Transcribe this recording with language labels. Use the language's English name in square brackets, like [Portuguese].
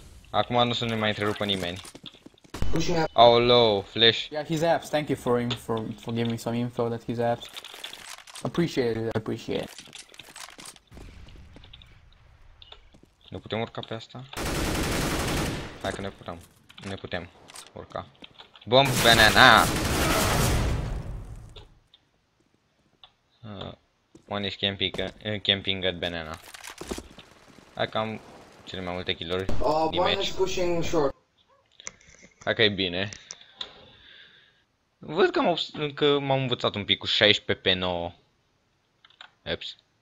[Romanian] Acum nu să ne mai întrerupă nimeni. Aolo, flash. [English] Yeah, he's apps, thank you for him, for giving me some info that he's apps. Appreciate it, appreciate. [Romanian] Nu putem urca pe asta? Hai că ne putem, ne putem. Urca. [English] Bomb banana! One is camping at banana. [Romanian] Hai că am cele mai multe kill-uri. [English] One is pushing short. [Romanian] Hai că e bine. Văd că m-am învățat un pic cu 16 pe 9. Eps.